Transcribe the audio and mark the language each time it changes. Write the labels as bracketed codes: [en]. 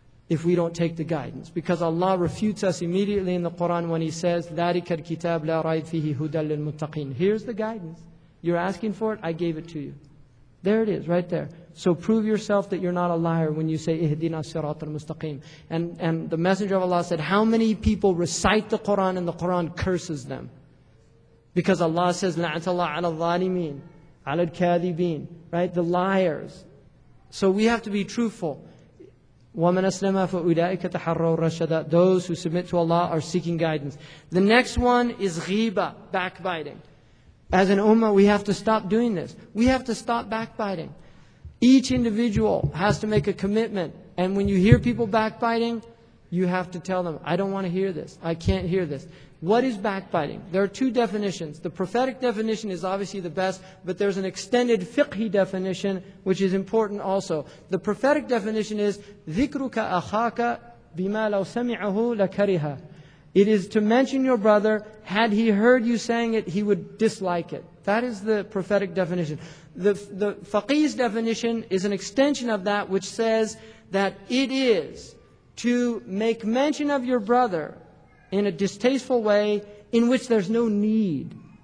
[en] If we don't take the guidance. Because Allah refutes us immediately in the Quran when He says, [ar] ذَلِكَ الْكِتَابُ لَا رَيْبَ فِيهِ هُدًى لِلْمُتَّقِينَ. [en] Here's the guidance. You're asking for it, I gave it to you. There it is, right there. So prove yourself that you're not a liar when you say, [ar] اِهْدِنَا الصِّرَاطَ الْمُسْتَقِيمِ. [en] And the Messenger of Allah said, how many people recite the Qur'an and the Qur'an curses them? Because Allah says, [ar] لَعَنَتَ اللَّهُ عَلَى الظَّالِمِينَ عَلَى الْكَاذِبِينَ. [en] Right? The liars. So we have to be truthful. [ar] وَمَنْ أَسْلَمَا فَأُولَٰئِكَ تَحَرَّوا الرَّشَدَ. [en] Those who submit to Allah are seeking guidance. The next one is ghiba, backbiting. As an ummah, we have to stop doing this. We have to stop backbiting. Each individual has to make a commitment. And when you hear people backbiting, you have to tell them, I don't want to hear this. I can't hear this. What is backbiting? There are two definitions. The prophetic definition is obviously the best, but there's an extended fiqhi definition, which is important also. The prophetic definition is, [ar] ذِكْرُكَ أَخَاكَ بِمَا لَوْ سَمِعَهُ لَكَرِهَا. [en] It is to mention your brother, had he heard you saying it, he would dislike it. That is the prophetic definition. The faqih's definition is an extension of that, which says that it is to make mention of your brother in a distasteful way in which there's no need.